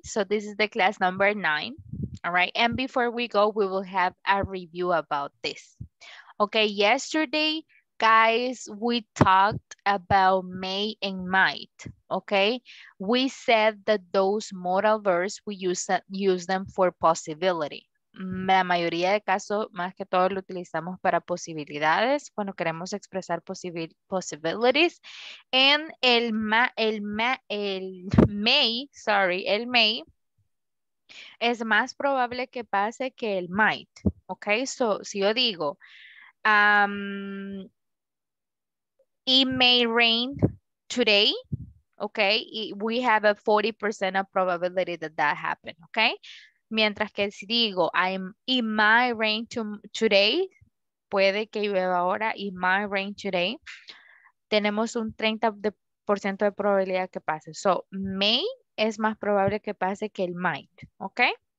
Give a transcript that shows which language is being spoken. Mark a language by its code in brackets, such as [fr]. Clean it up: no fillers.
[en] So this is the class number 9, all right? And before we go, we will have a review about this. Okay, yesterday, guys, we talked about may and might, okay? We said that those modal verbs, we use them for possibility. [es] La mayoría de casos, más que todo, lo utilizamos para posibilidades, cuando queremos expresar possibilities. And el may es más probable que pase que el might, okay? [en] So, [es] si yo digo, [en] it may rain today, okay? We have a 40% of probability that that happened, okay? [es] Mientras que si digo, [en] it might rain today, [es] puede que llueva ahora, it might rain today, tenemos un 30% de probabilidad que pase. So, may es más probable que pase que el might, okay?